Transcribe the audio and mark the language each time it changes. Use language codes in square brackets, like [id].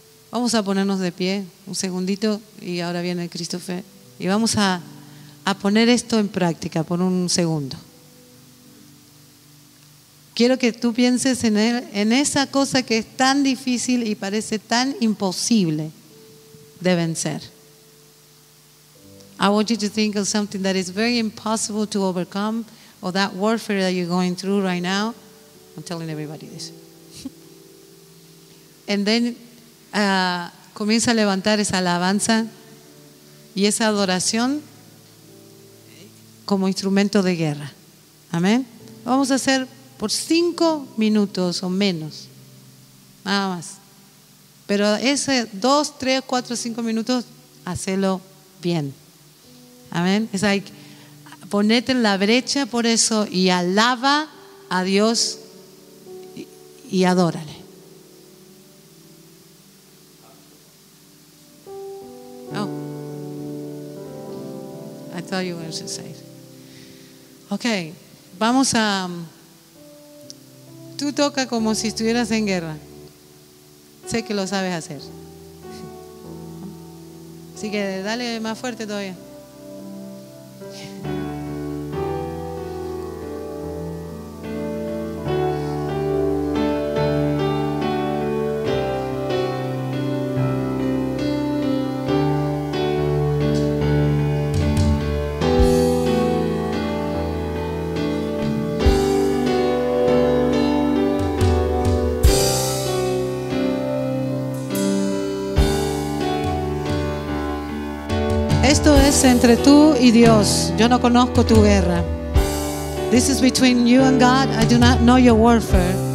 [es] Vamos a ponernos de pie un segundito y ahora viene Christopher. Y vamos a poner esto en práctica por un segundo. Quiero que tú pienses en esa cosa que es tan difícil y parece tan imposible de vencer. [en] I want you to think of something that is very impossible to overcome, or that warfare that you're going through right now. I'm telling everybody this. And then [es] comienza a levantar esa alabanza y esa adoración como instrumento de guerra. Amén. Vamos a hacer por 5 minutos o menos, nada más. Pero ese 2, 3, 4, 5 minutos, hacelo bien. Amén. Es like, ponete en la brecha por eso y alaba a Dios y adórale. [en] Oh, I thought you were going to say it. [es] Okay, vamos a. Tú toca como si estuvieras en guerra. Sé que lo sabes hacer. Así que dale más fuerte todavía. Entre tú y Dios, yo no conozco tu guerra. [en] This is between you and God. I do not know your warfare.